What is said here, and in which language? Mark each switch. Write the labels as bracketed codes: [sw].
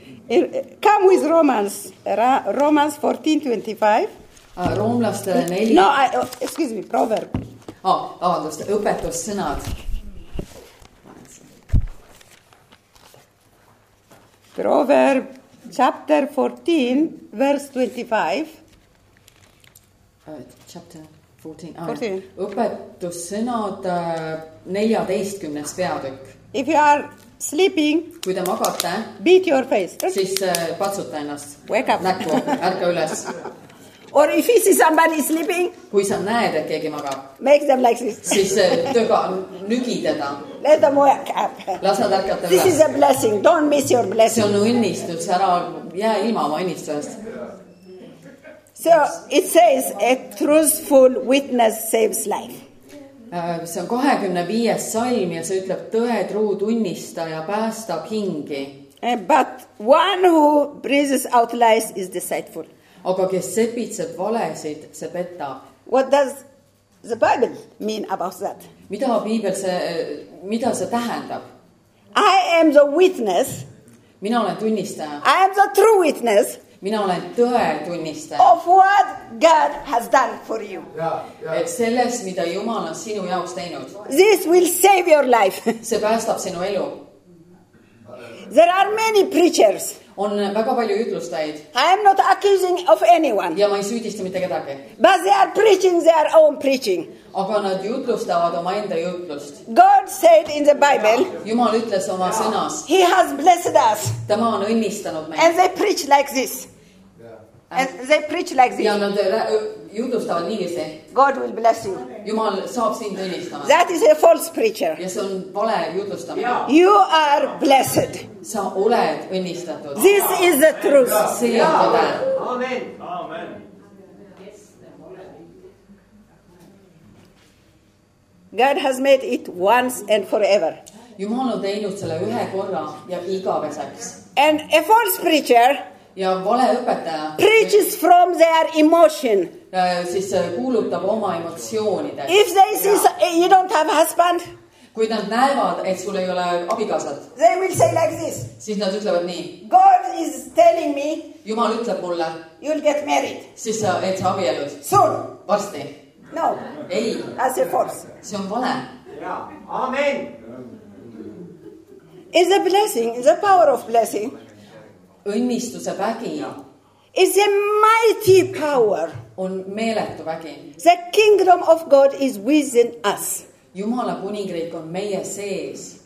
[en] Come with Romans, Romans 14:25. [et] Roomlastele 4. [en] No, excuse me, proverb. [et] Vabandust, õpetus sõnad. [en] Proverb chapter 14 verse 25. Chapter 14. [et] Õpetus sõnad 14. Peatükk. [en] If you are sleeping, [et] kui te magate, [en] beat your face. [et] Siis patsuta ennast. [en] Wake up. [et] Näkku, ärka üles. [en] Or if you see somebody sleeping, [et] kui sa näed, et keegi magab, [en] make them like this. [et] Siis tõga nügi teda. [en] Let them wake up. [et] Lasa tärkata üles. [en] This is a blessing. Don't miss your blessing. [et] See on õnnistus. Ära jää ilma oma õnnistusest. [en] So it says a truthful witness saves life. [et] See on 25. salm ja see ütleb tõe truu tunnistaja päästab hingi. [en] But one who breathes out lies is deceitful. [et] Aga kes sepitseb valesid, see petab. [en] What does the Bible mean about that? [et] Mida Biibel see, mida see tähendab? [en] I am the witness. [et] Mina olen tunnistaja. [en] I am the true witness. [et] Mina olen tõe tunnistaja. [en] Of what God has done for you. [et] Et selles, mida Jumal on sinu jaoks teinud. [en] This will save your life. [et] See päästab sinu elu. [en] There are many preachers. [et] On väga palju jutlustajaid. [en] I am not accusing of anyone. [et] Ja ma ei süüdista mitte kedagi. [en] But they are preaching their own preaching. [et] Aga nad jutlustavad oma enda jutlust. [en] God said in the Bible. [et] Jumal ütles oma sõnas. [en] He has blessed us. [et] Tema on õnnistanud meid. [en] And they preach like this. And they preach like this. [et] Ja nad jutlustavad nii see. [en] God will bless you. [et] Jumal saab sind õnnistama. [en] That is a false preacher. [et] Ja see on vale jutlustamine. Yeah. [en] You are blessed. [et] Sa oled õnnistatud. [en] This is the truth. [et] See on tõde. [en] Amen. God has made it once and forever. [et] Jumal on teinud selle ühe korra ja igaveseks. [en] And a false preacher [et] ja vale õpetaja [en] preaches from their emotion. [et] Siis kuulutab oma emotsioonide. [en] If they see you don't have husband, [et] kui nad näevad, et sul ei ole abikaasat, [en] they will say like this. [et] Siis nad ütlevad nii. [en] God is telling me, [et] Jumal ütleb mulle, [en] you'll get married. [et] Siis et sa abielud. [en] Soon. [et] Varsti. [en] No. [et] Ei. [en] That's a force. [et] See on vale. [en] Yeah. Amen. It's a blessing. It's a power of blessing. [et] Õnnistuse vägi. Yeah. [en] It's a mighty power. [et] On meeletu vägi. [en] The kingdom of God is within us. [et] Jumala kuningriik on meie sees.